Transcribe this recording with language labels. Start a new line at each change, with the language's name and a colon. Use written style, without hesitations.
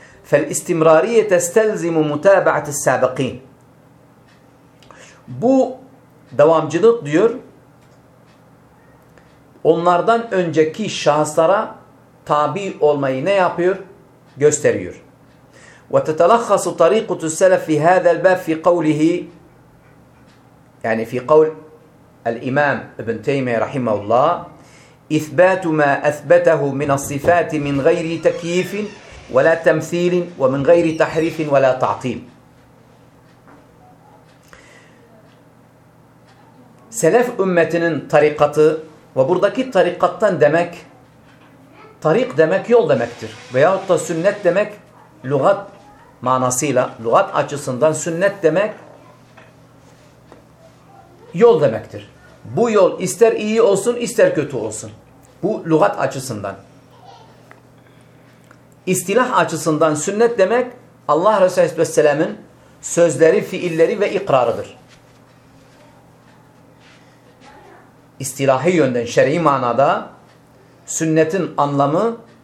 Arabic: فَالْاِسْتِمْرَارِيَ تَسْتَلْزِمُ مُتَابَعَةِ السَّابَقِينَ
Turkish: Bu devamcılık diyor, onlardan önceki şahıslara tabi olmayı ne yapıyor? Gösteriyor.
Arabic: وَتَتَلَخَّصُ طَرِيقُتُ السَّلَفِ فِي هَذَا الْبَابِ فِي قَوْلِهِ
Turkish: Yani
Arabic: fi قول الإمام ابن تيمية رحمه الله اِثْبَاتُ مَا أَثْبَتَهُ مِنَ الصِّفَاتِ مِنْ غَيْرِ تَكِيِّفٍ وَلَا تَمْثِيلٍ وَمِنْ غَيْرِ تَحْرِيفٍ وَلَا تَعْطِيمٍ
Turkish: Selef ümmetinin tarikatı ve buradaki tarikattan demek tarik demek yol demektir. Veyahut da sünnet demek lügat manasıyla, lügat açısından sünnet demek yol demektir. Bu yol ister iyi olsun ister kötü olsun. Bu lügat açısından. İstilah açısından sünnet demek Allah Resulü Aleyhisselatü Vesselam'ın sözleri, fiilleri ve ikrarıdır. İstilahi yönden şer'i manada sünnetin anlamı